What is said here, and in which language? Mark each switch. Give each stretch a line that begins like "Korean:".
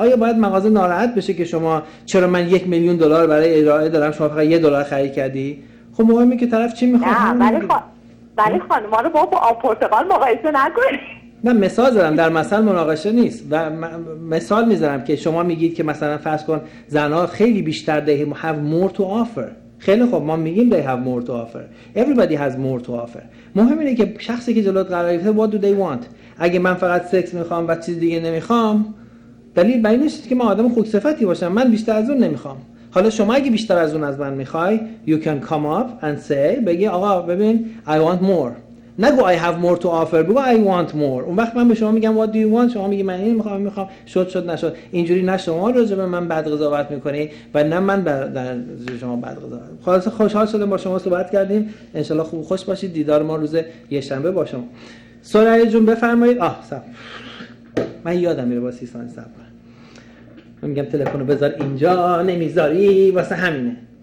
Persian: آیا باید مغازه ناراحت بشه که شما چرا من 1 میلیون دلار برای ارائه دارم، شما فقط 1 دلار خرید کردی؟ خب مهمه که طرف چی میخواد. نه ولی خانم ما رو با آب پرتقال مقایسه نکنید. نه مثال زدم، در مثال مناقشه نیست، و مثال میذارم که شما میگید که مثلا فرض کن زنها خیلی بیشتر دهی
English: have more to offer.
Persian: خیلی خب، ما میگیم
English: they have more to offer. Everybody has more to offer.
Persian: مهم اینه که شخصی که جلوت قرار گرفته
English: what do they want.
Persian: اگه من فقط سکس میخوام و چیز دیگه نمیخوام، دلیل بر این نیست که من آدم خوک صفتی باشم، من بیشتر از اون نمیخوام. حالا شما اگه بیشتر از اون از من میخوای،
English: you can come up and say،
Persian: بگی آقا ببین
English: I want more.
Persian: نگو
English: I have more to offer،
Persian: بگو
English: I want more.
Persian: اون وقت من به شما میگم
English: what do you want،
Persian: شما میگی من این میخوام، میخوام. شد شد نشد. اینجوری نه شما راجع به من بد قضاوت میکنی و نه من در شما بد قضاوت. خلاص خوشحال شدم با شما صحبت کردیم، ان شاء الله خوب خوش باشید، دیدار ما روز یکشنبه با شما. سوریه جون بفرمایید. آه سب، من یادم میره با 3 ثانیه سب کنم، من میگم تلفن رو بذار اینجا، نمیذاری واسه همینه.